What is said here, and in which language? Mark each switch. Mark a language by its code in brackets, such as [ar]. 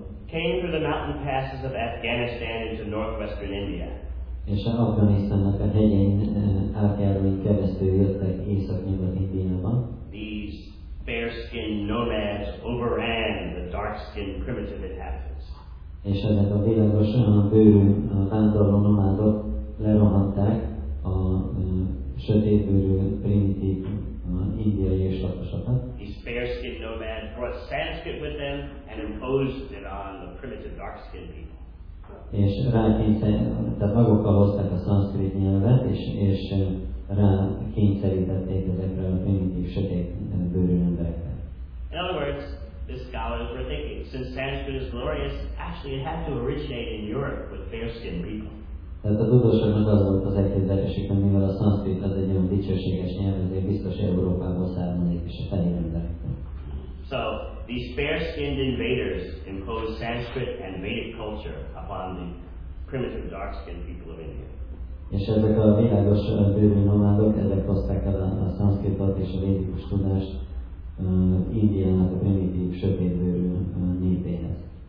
[en] came through the mountain passes of Afghanistan into northwestern India. [hu] És Afganisztánnak a hegyein átjárói keresztül jöttek észak-nyugat Indiában. [en] These fair-skinned nomads overran the dark-skinned primitive inhabitants. [hu] És ezek a világos bőrű vándorló nomádok lerohanták a sötétbőrű primitív indiai őslakosokat. [en] These fair-skinned nomads brought Sanskrit with them and imposed it on the primitive dark-skinned people. [hu] És tehát magukkal hozták a szanszkrit nyelvet, és rá kényszerítették ezekre a primitív sötét bőrű emberekre. [en] In other words, the scholars were thinking, since Sanskrit is glorious, actually it had to originate in Europe with fair-skinned people. [hu] Tehát a tudósoknak az volt az elképzelésük, hogy mivel a szanszkrit az egy olyan dicsőséges nyelv, ezért biztos Európából származik, és a fehér emberekkel. [en] So, these fair-skinned invaders imposed Sanskrit and Vedic culture upon the primitive dark-skinned people of India. [hu] És ezek a világos bőrű nomádok, ezek hozták el a szanszkritot és a védikus tudást Indiának a primitív sötét bőrű népéhez.